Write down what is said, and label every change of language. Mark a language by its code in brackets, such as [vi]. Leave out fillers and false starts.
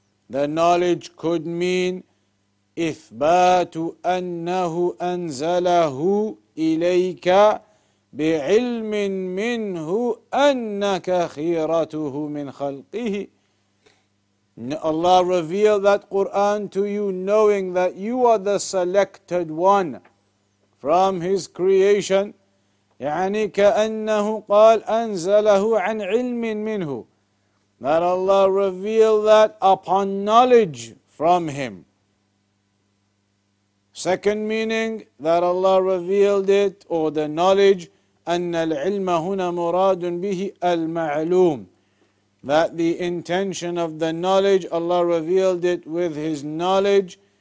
[en] The knowledge could mean [ar] إِثْبَاتُ أَنَّهُ أَنْزَلَهُ إِلَيْكَ بِعِلْمٍ مِّنْهُ أَنَّكَ خِيرَتُهُ مِنْ خَلْقِهِ. [en] Allah revealed that Qur'an to you knowing that you are the selected one from His creation. [ar] يعني كأنه قال أنزله عن علم منه. [en] That Allah revealed that upon knowledge from Him. Second meaning, that Allah revealed it, or the knowledge, [ar] أن العلم هنا مراد به المعلوم. [en] That the intention of the knowledge, Allah revealed it with His knowledge.